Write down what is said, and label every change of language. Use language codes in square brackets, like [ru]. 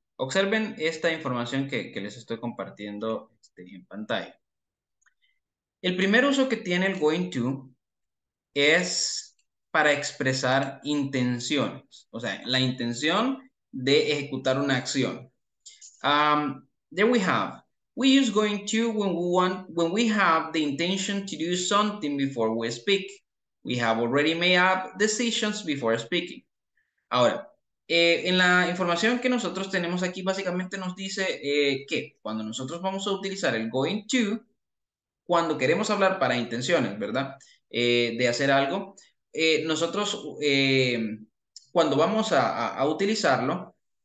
[es] Observen esta información que les estoy compartiendo en pantalla. El primer uso que tiene el going to es para expresar intenciones. O sea, la intención de ejecutar una acción. [en] There we have. We use going to when we have the intention to do something before we speak. We have already made up decisions before speaking. [es] Ahora, en la información que nosotros tenemos aquí, básicamente nos dice que cuando nosotros vamos a utilizar el going to, cuando queremos hablar para intenciones, ¿verdad? De hacer algo, nosotros cuando vamos a utilizarlo,